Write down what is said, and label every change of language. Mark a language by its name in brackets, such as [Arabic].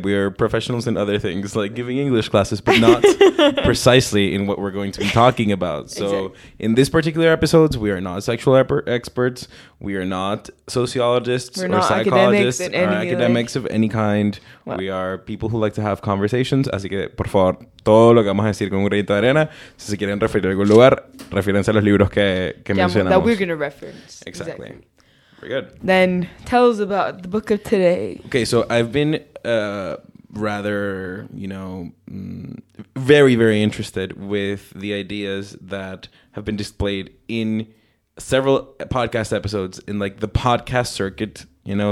[English] We are professionals in other things, like giving English classes, but not precisely in what we're going to be talking about. So exactly. In this particular episode, we are not sexual experts. We are not sociologists or psychologists or academics of any kind. Well, we are people who like to have conversations. [Spanish] Así que, por favor, todo lo que vamos a decir con un grito de arena, si se quieren referir a algún lugar, refírense a los libros que mencionamos. [English] That we're going to reference. Exactly. Very good. Then tell us about the book of today. Okay, so I've been rather, you know, very, very interested with the ideas that have been displayed in several podcast episodes in like the podcast circuit, you know.